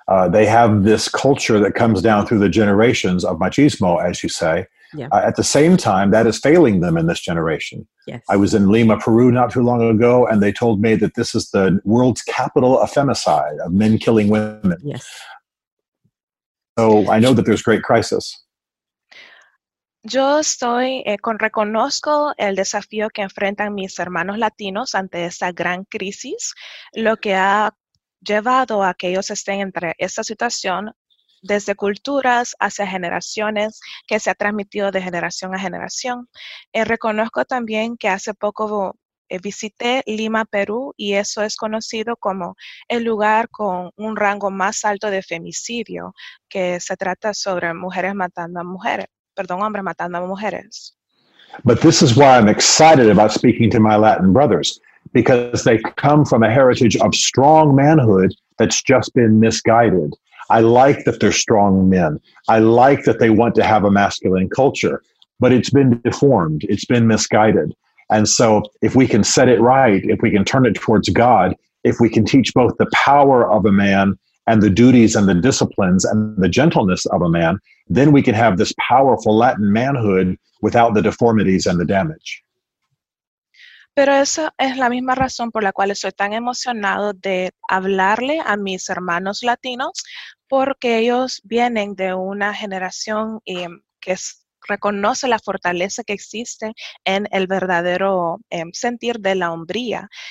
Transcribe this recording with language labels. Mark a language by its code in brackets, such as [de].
[en] They have this culture that comes down through the generations of machismo, as you say. Yeah. At the same time, that is failing them in this generation. Yes. I was in Lima, Peru not too long ago, and they told me that this is the world's capital of femicide, of men killing women. Yes. So I know that there's great crisis. [es] Yo estoy reconozco el desafío que enfrentan mis hermanos latinos ante esta gran crisis, lo que ha llevado a que ellos estén entre esta situación desde culturas hacia generaciones que se ha transmitido de generación a generación. Reconozco también que hace poco visité Lima, Perú, y eso es conocido como el lugar con un rango más alto de femicidio, que se trata sobre mujeres matando a mujeres. Perdón, hombre, matando a mujeres. [en] But this is why I'm excited about speaking to my Latin brothers, because they come from a heritage of strong manhood that's just been misguided. I like that they're strong men. I like that they want to have a masculine culture, but it's been deformed. It's been misguided. And so if we can set it right, if we can turn it towards God, if we can teach both the power of a man and the duties and the disciplines and the gentleness of a man, then we can have this powerful Latin manhood without the deformities and the damage. [es] Pero esa es la misma razón por la cual estoy tan emocionado de hablarle a mis hermanos latinos, porque ellos vienen de una generación que reconoce la fortaleza que existe en el verdadero sentir de la hombría.